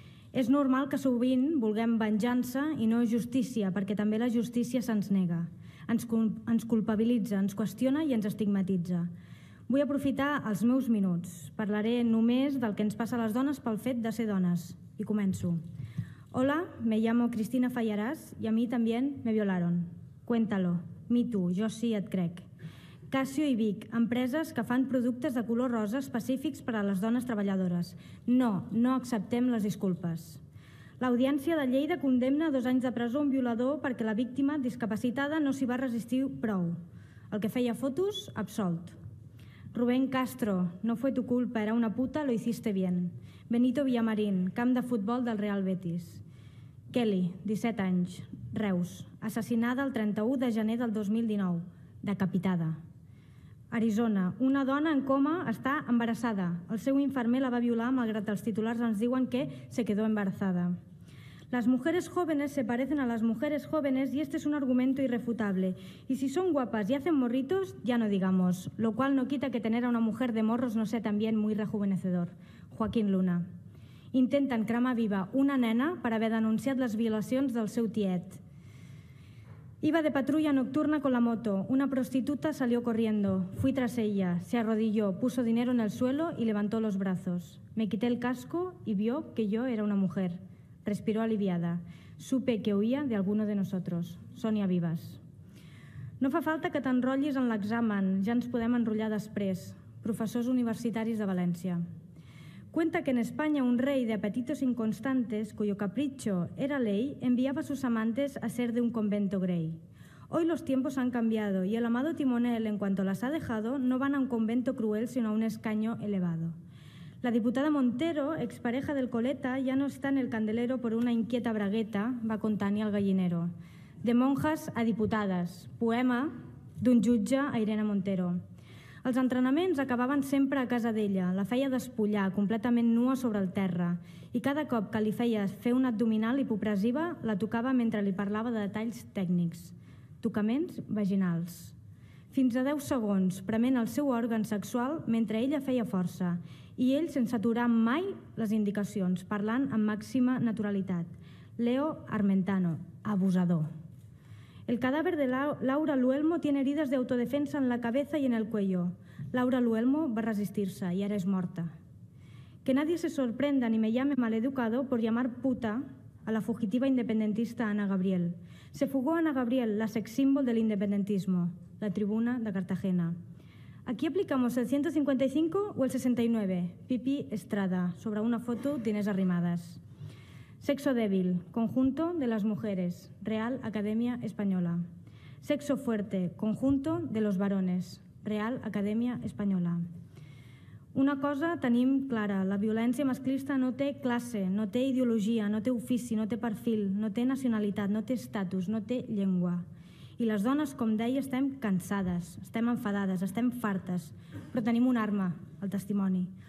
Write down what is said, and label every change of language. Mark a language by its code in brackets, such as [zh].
[ca] És normal que sovint vulguem venjança i no justícia, perquè també la justícia se'ns nega. Ens culpabilitza, ens qüestiona i ens estigmatitza. Vull aprofitar els meus minuts. Parlaré només del que ens passa a les dones pel fet de ser dones. I començo. [es] Hola, me llamo Cristina Fallarás y a mí también me violaron. Cuéntalo. [en] Me too, [ca] jo sí, et crec. Casio i Vic, empreses que fan productes de color rosa específics per a les dones treballadores. No, no acceptem les disculpes. L'Audiència de Lleida condemna 2 anys de presó a un violador perquè la víctima, discapacitada, no s'hi va resistir prou. El que feia fotos, absolt. [es] Rubén Castro, no fue tu culpa, era una puta, lo hiciste bien. [ca] Benito Villamarín, camp de futbol del Real Betis. Kelly, 17 anys, Reus, assassinada el 31 de gener del 2019, decapitada. Arizona, una dona en coma està embarassada. El seu infermer la va violar, malgrat els titulars ens diuen que [es] se quedó embarazada. Las mujeres jóvenes se parecen a las mujeres jóvenes y este es un argumento irrefutable. Y si son guapas y hacen morritos, ya no digamos. Lo cual no quita que tener a una mujer de morros no sea también muy rejuvenecedor. Joaquín Luna. Intentan cremar viva una nena per haver denunciat les violacions del seu tiet. Iba de patrulla nocturna con la moto. Una prostituta salió corriendo. Fui tras ella. Se arrodilló, puso dinero en el suelo y levantó los brazos. Me quité el casco y vio que yo era una mujer. Respiró aliviada. Supe que huía de alguno de nosotros. Sonia Vives. [ca] No fa falta que t'enrotllis en l'examen. Ja ens podem enrotllar després. Professors universitaris de València. [es] Cuenta que en España un rey de apetitos inconstantes, cuyo capricho era ley, enviaba a sus amantes a ser de un convento grey. Hoy los tiempos han cambiado y el amado timonel, en cuanto las ha dejado, no van a un convento cruel, sino a un escaño elevado. La diputada Montero, expareja del Coleta, ya no está en el candelero por una inquieta bragueta, va con Tania el gallinero. De monjas a diputadas, [ca] poema d'un jutge a Irene Montero. Els entrenaments acabaven sempre a casa d'ella, la feia despullar, completament nua sobre el terra, i cada cop que li feia fer una abdominal hipopressiva, la tocava mentre li parlava de detalls tècnics, tocaments vaginals. Fins a 10 segons, prement el seu òrgan sexual mentre ella feia força, i ell sense aturar mai les indicacions, parlant amb màxima naturalitat. Leo Armentano, abusador. [es] El cadáver de Laura Luelmo tiene heridas de autodefensa en la cabeza y en el cuello. Laura Luelmo va resistirse y ahora es muerta. Que nadie se sorprenda ni me llame maleducado por llamar puta a la fugitiva independentista Ana Gabriel. Se fugó Ana Gabriel, la sex symbol del independentismo, la tribuna de Cartagena. Aquí aplicamos el 155 o el 69, Pipi Estrada, [ca] sobre una foto d'Inés Arrimadas. [es] Sexo débil, conjunto de las mujeres, Real Academia Española. Sexo fuerte, conjunto de los varones, Real Academia Española. [ca] Una cosa tenim clara, la violència masclista no té classe, no té ideologia, no té ofici, no té perfil, no té nacionalitat, no té estatus, no té llengua. I les dones, com deia, estem cansades, estem enfadades, estem fartes, però tenim una arma, el testimoni.